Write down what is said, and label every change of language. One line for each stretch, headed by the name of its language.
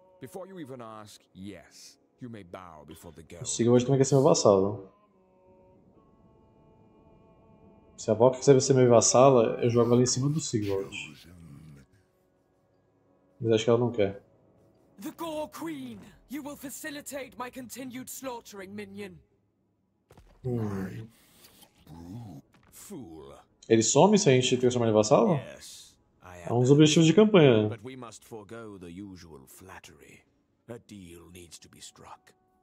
English: Before you even ask, yes, you may bow before the girl.
Portuguese: Eu sigo hoje também quer ser meu vassalo. Se a Valk quiser ser meu vassalo, eu jogo ali em cima do Sigurd. Mas acho que ela não quer.
English: The Gore Queen, you will facilitate my continued slaughtering, minion. Fool.
Portuguese: Ele some se a gente transformar em vassalo? É um dos objetivos de campanha.
English: But we must forgo the usual flattery. A deal needs to be struck.